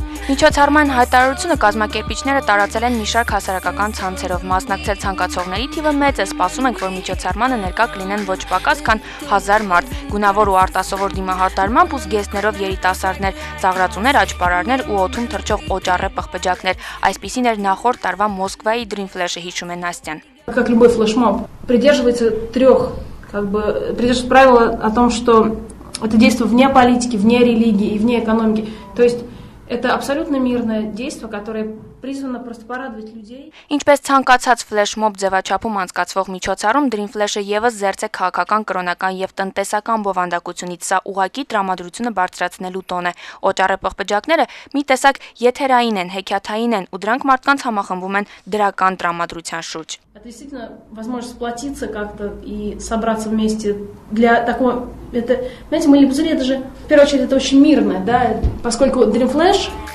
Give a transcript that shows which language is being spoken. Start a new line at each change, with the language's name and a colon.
Armenian: Միջոցառման հայտարարությունը կազմակերպիչները տարածել են մի շարք հասարակական ցանցերով, մասնակցել ցանկացողների թիվը մեծ է, սպասում ենք, որ միջոցառմանը ներկա կլինեն ոչ պակաս, քան 1000 մարդ, գունավոր ու արտասովոր դիմահարդարմամբ ու զգեստներով երիտասարդներ, ծաղրացուներ, աճպարարներ ու օդում թրջող օճառե պղպջակներ, այսպիսին էր նախորդ տարվա Մոսկվայի Dream Flash-ը, հիշում է Նաստյան։
Russian: Как любой флешмоб придерживается трёх, как бы придерживается правила о том, что это действие вне политики, вне религии и вне экономики. То есть это абсолютно мирное действие, которое призвано просто порадовать людей.
Armenian: Ինչպես ցանկացած флешмоб ձևաչափում անցկացվող միջոցառում, Dream Flash-ը եւս զերծ է քաղաքական, կրոնական եւ տնտեսական բովանդակությունից, սա ուղակի տրամադրությունը բարձրացնելու տոն է։ Օճառե պղպջակները մի տեսակ եթերային են, հեքիաթային են, ու դրանք մարդկանց համախմբում են դրական տրամադրության շուրջ։
Russian: Это действительно возможность сплотиться как-то и собраться вместе для такого, это, знаете, мыльные пузыри, это же, в первую очередь, это очень мирное, да, поскольку Dream Flash...